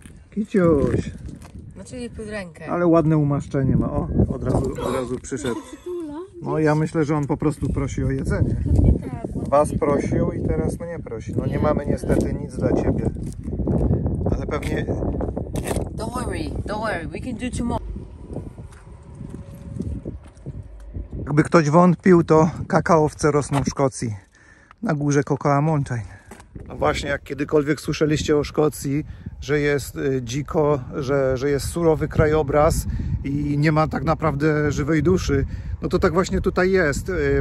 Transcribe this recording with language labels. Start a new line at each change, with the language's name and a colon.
Polish: Kiciuś. Znaczy nie pod rękę. Ale ładne umaszczenie ma. O, od razu przyszedł. No ja myślę, że on po prostu prosi o jedzenie. Was prosił i teraz mnie prosi. No nie mamy niestety nic dla ciebie. Ale pewnie...
English: Don't worry, we can do tomorrow.
Polish: Jakby ktoś wątpił, to kakaowce rosną w Szkocji. Na górze Cocoa Mountain. No właśnie, jak kiedykolwiek słyszeliście o Szkocji, że jest dziko, że jest surowy krajobraz i nie ma tak naprawdę żywej duszy, no to tak właśnie tutaj jest.